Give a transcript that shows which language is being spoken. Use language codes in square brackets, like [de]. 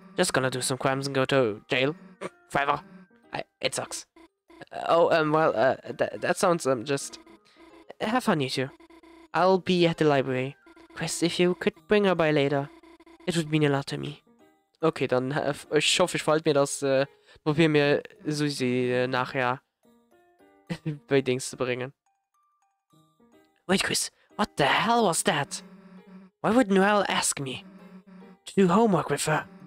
[en] Just gonna do some crimes and go to jail. Forever. It sucks. That sounds, just... Have fun, you two. I'll be at the library. Chris, if you could bring her by later, it would mean a lot to me. [de] Okay, dann ich hoffe, ich verhalte mir das, probier mir Susi nachher bei Dings zu bringen. [en] Wait, Chris, what the hell was that? Why would Noelle ask me to do homework with her?